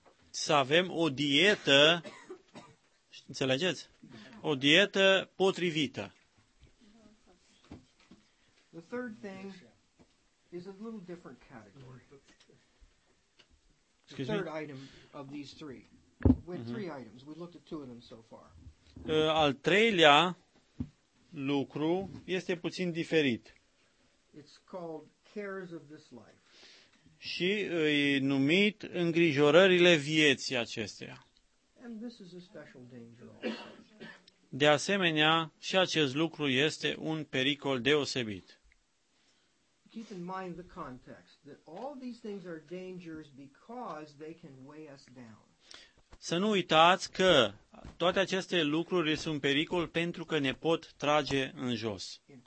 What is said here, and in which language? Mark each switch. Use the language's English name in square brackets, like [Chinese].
[Romanian] Să avem o dietă, înțelegeți? O dietă potrivită. [English] The third thing is a little different category. Excuse the third me? Item of these three. We had three items. We looked at two of them so far. [Romanian] Al treilea lucru este puțin diferit. [English] It's called cares of this life. [Romanian] Și îi numit îngrijorările vieții acesteia. [English] And this is a special danger also. [Romanian] De asemenea, și acest lucru este un pericol deosebit. [English] keep in mind the context, that all these things are dangers because they can weigh us down. [Romanian] Să nu uitați că toate aceste lucruri sunt pericol pentru că ne pot trage în jos.